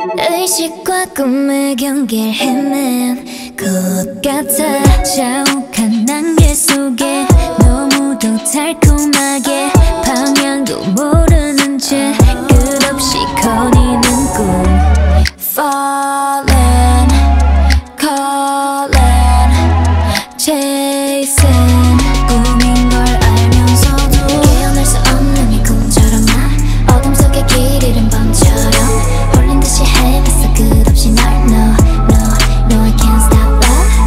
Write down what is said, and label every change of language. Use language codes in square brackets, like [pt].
[ko] 의식과 꿈의 경계를 헤맨 것 같아. 자욱한 난개 속에 너무도 달콤하게 방향도 모르는 채 끝없이 거니는 꿈. [en] Falling, calling, chasing. [ko] 꿈인 걸 알면서도 깨어날 수 없는 이 꿈처럼 나 어둠 속에 길 잃은 밤처럼 홀린 듯이 헤맸어 끝없이 널 [en] No, I can't stop love.